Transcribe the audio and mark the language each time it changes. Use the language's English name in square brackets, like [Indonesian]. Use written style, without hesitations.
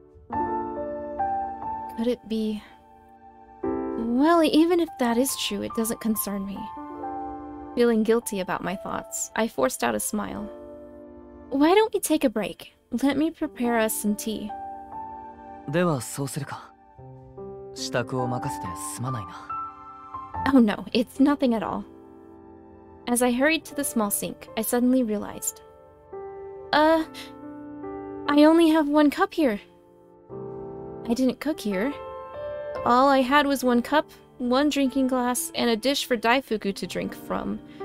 [English] Could it be? Well, even if that is true, it doesn't concern me. Feeling guilty about my thoughts, I forced out a smile. Why don't we take a break? Let me prepare us some tea. [Japanese] ではそうするか。支度を任せてすまないな。 [English] Oh no, it's nothing at all. As I hurried to the small sink, I suddenly realized. I only have one cup here. I didn't cook here. All I had was one cup, one drinking glass, and a dish for Daifuku to drink from.